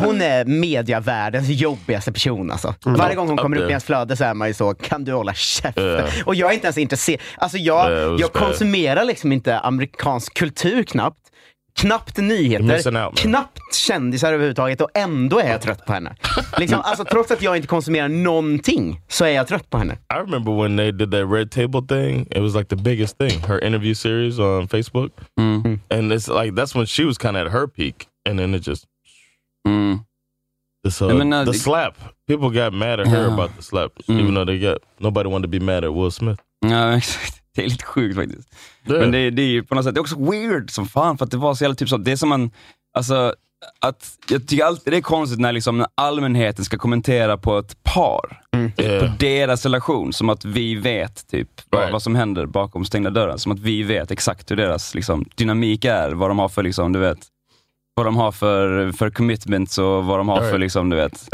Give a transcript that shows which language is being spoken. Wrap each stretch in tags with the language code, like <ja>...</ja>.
<sv>Hon är medievärldens jobbigaste person, alltså. Mm. Varje gång hon kommer upp i hans flöde så är man ju så, kan du hålla käften?</sv> <en>Yeah.</en> <sv>Och jag är inte ens intresserad. Alltså, jag konsumerar liksom inte amerikansk kultur knappt. Knappt nyheter, knappt kändisar överhuvudtaget, och ändå är jag trött på henne. Liksom, alltså, trots att jag inte konsumerar någonting, så är jag trött på henne.</sv> <en>I remember when they did that Red Table thing, it was like the biggest thing, her interview series on Facebook. Mm. And it's like, that's when she was kind of at her peak, and then it just... The slap. People got mad at her about the slap, even though nobody wanted to be mad at Will Smith.</en> <sv>Ja, exakt. Det är lite sjukt faktiskt.</sv> <en>Yeah.</en> <sv>Men det är ju på något sätt, det är också weird som fan, för att det var så jävla typ så, det är som man, alltså, att jag tycker alltid det är konstigt när liksom allmänheten ska kommentera på ett par, på deras relation, som att vi vet typ vad som händer bakom stängda dörren, som att vi vet exakt hur deras liksom dynamik är, vad de har för liksom, du vet, vad de har för commitments och vad de har för liksom, du vet,</sv>